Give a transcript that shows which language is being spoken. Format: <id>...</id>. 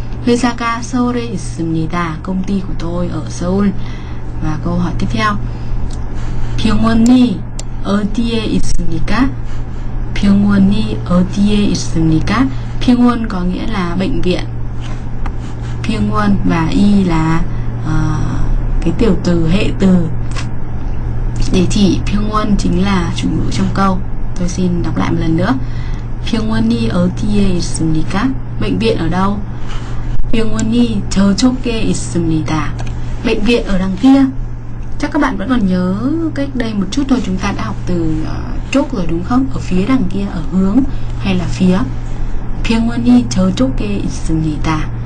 <ko>회사가 서울에 있습니다.</ko> <vi>Công ty của tôi ở Seoul. Và câu hỏi tiếp theo.</vi> <ko>병원이 어디에 있습니까? 병원이 어디에 있습니까?</ko> <vi>병원 có nghĩa là bệnh viện. 병원 và y là cái tiểu từ hệ từ để chỉ 병원, chính là chủ ngữ trong câu. Tôi xin đọc lại một lần nữa.</vi> <ko>병원이 어디에 있습니까?</ko> <vi>Bệnh viện ở đâu?</vi> <ko>병원이 저쪽에 있습니다.</ko> <vi>Bệnh viện ở đằng kia. Chắc các bạn vẫn còn nhớ cách đây một chút thôi, chúng ta đã học từ chốt rồi đúng không? Ở phía đằng kia, ở hướng hay là phía.</vi> <ko>병원이 저쪽에 있습니다.</ko>